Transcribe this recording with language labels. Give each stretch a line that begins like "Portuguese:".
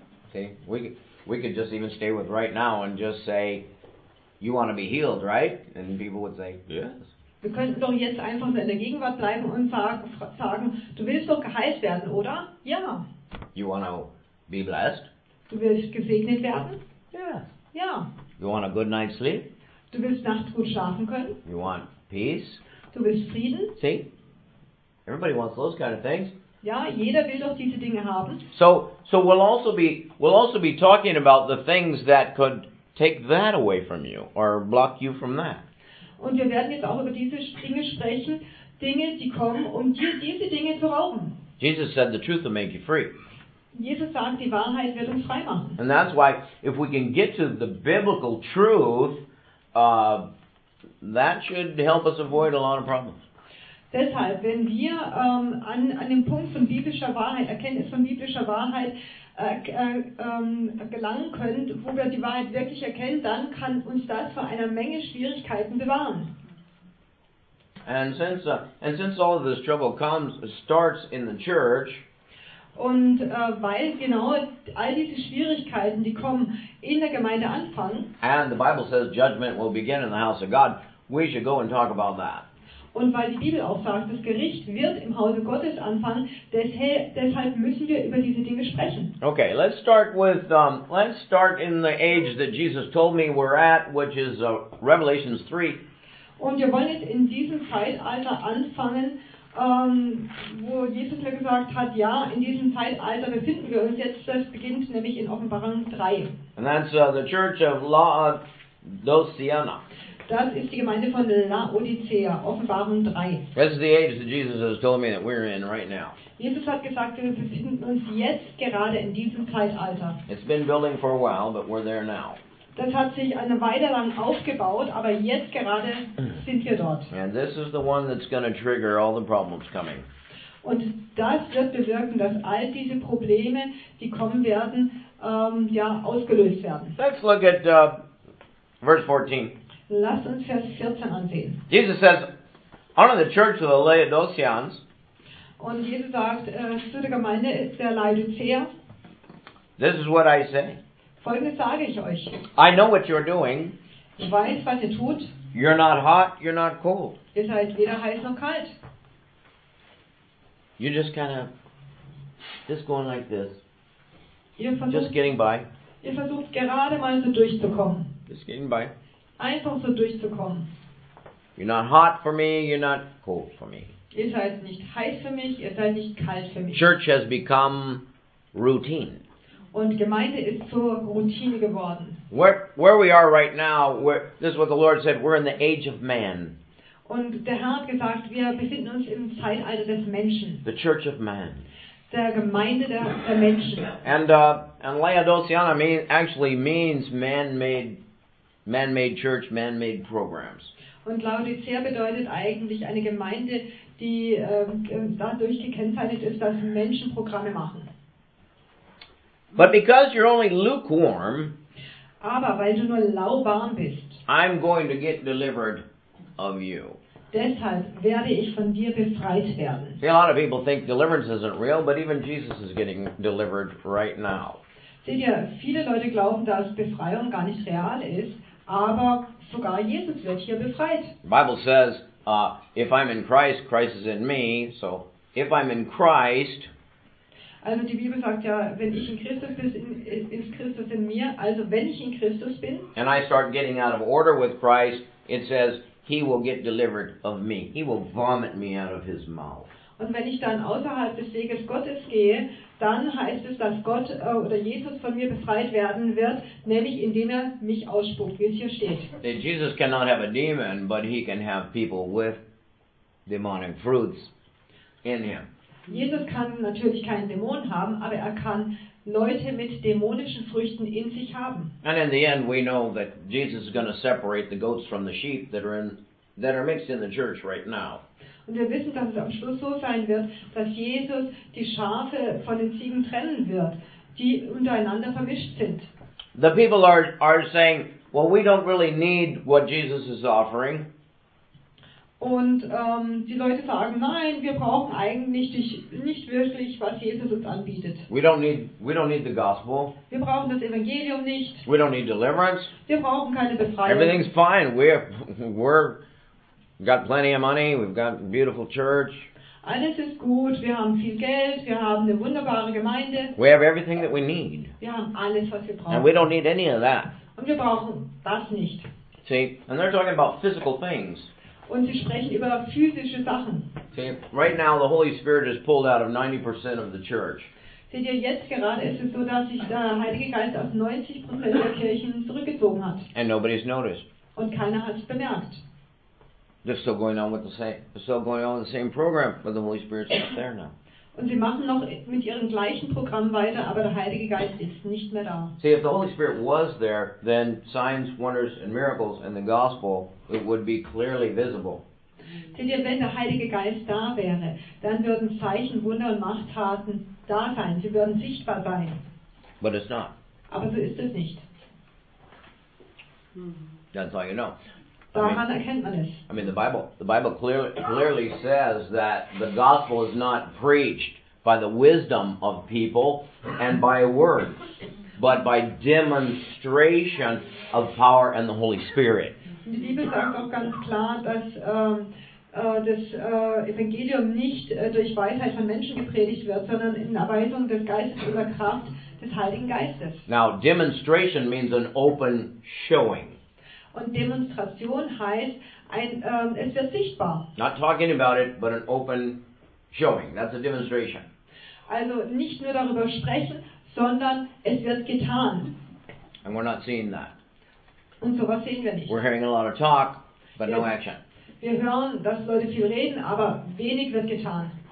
English: Okay, we could just even stay with right now and just say, you want to be healed, right? And people would say, yes.
German: Wir könnten doch jetzt einfach in der Gegenwart bleiben und sagen, du willst doch geheilt werden, oder? Ja.
English: You want to be blessed?
German: Du willst gesegnet werden?
English: Yes.
German: Ja.
English: You want a good night's sleep?
German: Du willst nachts gut schlafen können?
English: You want peace?
German: Du willst Frieden?
English: See? Everybody wants those kind of things.
German: Ja, jeder will doch diese Dinge haben.
English: So we'll also be talking about the things that could take that away from you or block you from that.
German: Und wir werden jetzt auch über diese Dinge sprechen, Dinge, die kommen, um dir diese Dinge zu rauben.
English: Jesus said the truth will make you free.
German: Jesus sagt, die Wahrheit wird uns frei machen.
English: And that's why if we can get to the biblical truth, that should help us avoid a lot of problems.
German: Deshalb, wenn wir an dem Punkt von biblischer Wahrheit, Erkenntnis von biblischer Wahrheit gelangen können, wo wir die Wahrheit wirklich erkennen, dann kann uns das vor einer Menge Schwierigkeiten bewahren.
English: And since all of this trouble starts in the church,
German: und weil genau all diese Schwierigkeiten, die kommen, in der Gemeinde anfangen,
English: and the Bible says judgment will begin in the house of God, we should go and talk about that.
German: Und weil die Bibel auch sagt, das Gericht wird im Hause Gottes anfangen, deshalb müssen wir über diese Dinge sprechen.
English: Okay, let's start in the age that Jesus told me we're at, which is Revelation 3.
German: Und wir wollen jetzt in diesem Zeitalter anfangen, wo Jesus mir gesagt hat, ja, in diesem Zeitalter befinden wir uns jetzt. Das beginnt nämlich in Offenbarung 3.
English: And that's the Church of Laodicea.
German: Das ist die Gemeinde von Laodicea, Offenbarung 3.
English: This is the age that Jesus has told me that we're in right now.
German: Jesus hat gesagt, wir befinden uns jetzt gerade in diesem Zeitalter.
English: It's been building for a while, but we're there now.
German: Das hat sich eine Weile lang aufgebaut, aber jetzt gerade sind wir dort.
English: And this is the one that's going to trigger all the problems coming.
German: Und das wird bewirken, dass all diese Probleme, die kommen werden, ausgelöst werden.
English: Let's look at verse 14.
German: Lass uns Vers 14 ansehen.
English: Jesus says, honor the church of the Laodiceans.
German: Und Jesus sagt, zu der Gemeinde der Laodicea.
English: This is what I say.
German: Folgendes sage ich euch.
English: I know what you're doing.
German: Ich weiß, was ihr tut.
English: You're not hot, you're not cold.
German: Ihr seid weder heiß noch kalt.
English: You're just kind of just going like this.
German: Ihr versucht,
English: just getting by.
German: Ihr versucht gerade mal so durchzukommen.
English: Just getting by.
German: Einfach so durchzukommen.
English: You're not hot for me, you're not cold for me.
German: Ihr seid nicht heiß für mich, ihr seid nicht kalt für mich.
English: Church has become routine.
German: Und Gemeinde ist zur Routine geworden.
English: Where we are right now, this is what the Lord said, we're in the age of man.
German: Und der Herr hat gesagt, wir befinden uns im Zeitalter des Menschen.
English: The church of man.
German: Der Gemeinde der Menschen.
English: And Laodiceana actually means man-made church, man-made programs.
German: Und Laodicea bedeutet eigentlich eine Gemeinde, die dadurch gekennzeichnet ist, dass Menschen Programme machen.
English: But because you're only lukewarm,
German: aber weil du nur lauwarm bist,
English: I'm going to get delivered of you.
German: Deshalb werde ich von dir befreit werden.
English: See, a lot of people think deliverance isn't real, but even Jesus is getting delivered right now.
German: Seht ihr, viele Leute glauben, dass Befreiung gar nicht real ist, aber sogar Jesus wird hier befreit.
English: The Bible says, if I'm in Christ, Christ is in me. So, if I'm in Christ.
German: Also die Bibel sagt ja, wenn ich in Christus bin, ist Christus in mir. Also wenn ich in Christus bin.
English: And I start getting out of order with Christ, it says, he will get delivered of me. He will vomit me out of his mouth.
German: Und wenn ich dann außerhalb des Weges Gottes gehe, dann heißt es, dass Gott oder Jesus von mir befreit werden wird, nämlich indem er mich ausspuckt, wie es hier steht.
English: Jesus cannot have a demon, but he can have people with demonic fruits in him.
German: Jesus kann natürlich keinen Dämon haben, aber er kann Leute mit dämonischen Früchten in sich haben.
English: And in the end we know that Jesus is going to separate the goats from the sheep that are in that are mixed in the church right now.
German: Und wir wissen, dass es am Schluss so sein wird, dass Jesus die Schafe von den Ziegen trennen wird, die untereinander vermischt sind.
English: The people are saying, well, we don't really need what Jesus is offering.
German: Und die Leute sagen, nein, wir brauchen eigentlich nicht wirklich, was Jesus uns anbietet.
English: We don't need the gospel.
German: Wir brauchen das Evangelium nicht.
English: We don't need deliverance.
German: Wir brauchen keine Befreiung.
English: Everything's fine. We're got plenty of money. We've got a beautiful church.
German: Alles ist gut. Wir haben viel Geld. Wir haben eine wunderbare Gemeinde.
English: We have everything that we need.
German: Wir haben alles, was wir brauchen.
English: And we don't need any of that.
German: Und wir brauchen das nicht.
English: See, and they're talking about physical things.
German: Und sie sprechen über physische Sachen.
English: See, right now the Holy Spirit is pulled out of 90% of the church.
German: Seht ihr, jetzt gerade ist es so, dass sich der Heilige Geist aus 90% der Kirchen zurückgezogen hat.
English: And nobody's noticed.
German: Und keiner hat es bemerkt.
English: They're still going on with the same. Still going on with the same program, but the Holy Spirit's not there now.
German: Und sie machen noch mit ihrem gleichen Programm weiter, aber der Heilige Geist ist nicht mehr da.
English: See, if the Holy Spirit was there, then signs, wonders, and miracles and the gospel, it would be clearly visible.
German: Seht ihr, wenn der Heilige Geist da wäre, dann würden Zeichen, Wunder und Machttaten da sein. Sie würden sichtbar sein.
English: But it's not.
German: Aber so ist es nicht.
English: That's all you know. I mean, the Bible clearly says that the gospel is not preached by the wisdom of people and by words, but by demonstration of power and the Holy Spirit.
German: Die Bibel sagt auch ganz klar, dass das Evangelium nicht durch Weisheit von Menschen gepredigt wird, sondern in Erweisung des Geistes oder Kraft des Heiligen Geistes.
English: Now, demonstration means an open showing.
German: Und Demonstration heißt, es wird sichtbar.
English: Not talking about it, but an open showing. That's a demonstration.
German: Also nicht nur darüber sprechen, sondern es wird getan.
English: And we're not seeing that.
German: Und sowas sehen wir nicht.
English: We're hearing a lot of talk, but no action.
German: Wir hören, dass Leute viel reden, aber wenig wird getan.